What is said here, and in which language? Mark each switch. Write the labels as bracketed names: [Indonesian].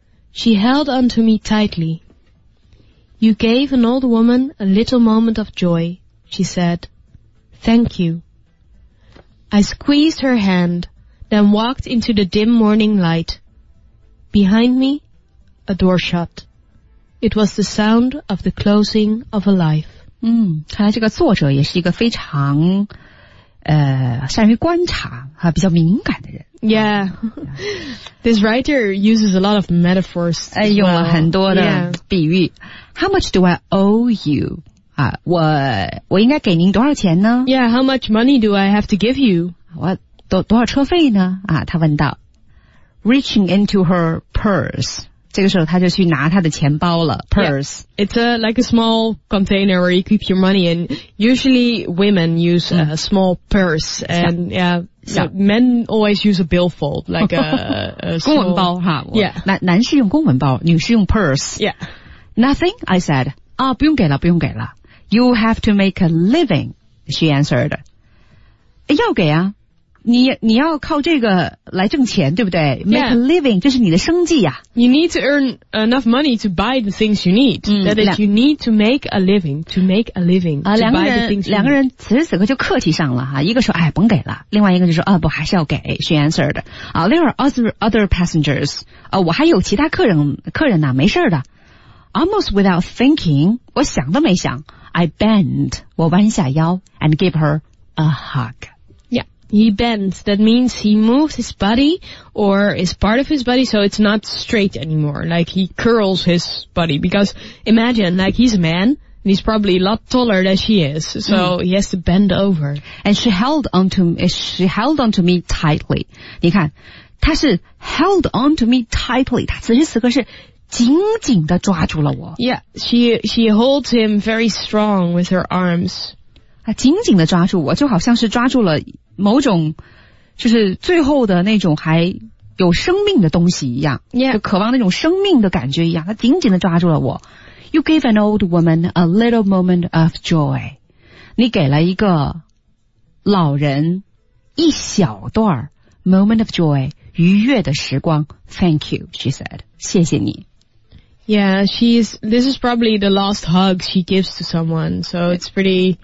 [English] She held onto me tightly. You gave an old woman a little moment of joy, she said. Thank you. I squeezed her hand, then walked into the dim morning light. Behind me, a door shut. It was the sound of the closing of a life. [Chinese] 看来这个作者也是一个非常善于观察啊，比较敏感的人。 [English] Yeah, this writer uses a lot of metaphors. [Chinese] 用了很多的比喻。 [English] Yeah. How much do I owe you? [Chinese] 啊，我应该给您多少钱呢 [English] ？Yeah, how much money do I have to give you? [Chinese] 我多少车费呢？啊，他问道。 [English] Reaching into her purse. [Chinese] 这个时候他就去拿他的钱包了 purse. [English] Yeah, it's a, like a small container where you keep your money in. Usually women use a small purse and men always use a billfold, like a [Chinese] 公文包哈。 [English] Yeah. [Chinese] 男士用公文包女士用 purse. [English] Yeah. Nothing, I said. [Chinese] 啊、不用给了。 [English] You have to make a living, she answered. [Chinese] 要给啊，你要靠这个来挣钱，对不对？ [English] Make a living, [Chinese] 这是你的生计啊。 [English] You need to earn enough money to buy the things you need. That is, you need to make a living, to make a living, to buy the things you need. [Chinese] 两个人此时此刻就客气上了哈，一个说哎甭给了，另外一个就说啊不还是要给， [English] she answered. There are other passengers. [Chinese] 我还有其他客人呢，没事的。 [English] Almost without thinking, [Chinese] 我想都没想， [English] I bend, [Chinese] 我弯下腰 [English] and give her a hug. He bends, that means he moves his body or is part of his body, so it's not straight anymore. Like he curls his body, because imagine, like he's a man and he's probably a lot taller than she is, so he has to bend over. And she held onto me tightly. [Chinese] 你看，她是 [English] held onto me tightly. [Chinese] 她此时此刻是紧紧地抓住了我。 [English] Yeah, she holds him very strong with her arms. [Chinese] 她紧紧地抓住我，就好像是抓住了某种就是最后的那种还有生命的东西一样、 [English] yeah. [Chinese] 就渴望那种生命的感觉一样，他紧紧地抓住了我。 [English] You gave an old woman a little moment of joy. [Chinese] 你给了一个老人一小段 [English] moment of joy, [Chinese] 愉悦的时光。 [English] Thank you, she said. [Chinese] 谢谢你。 [English] Yeah, this is probably the last hug she gives to someone, so it's pretty...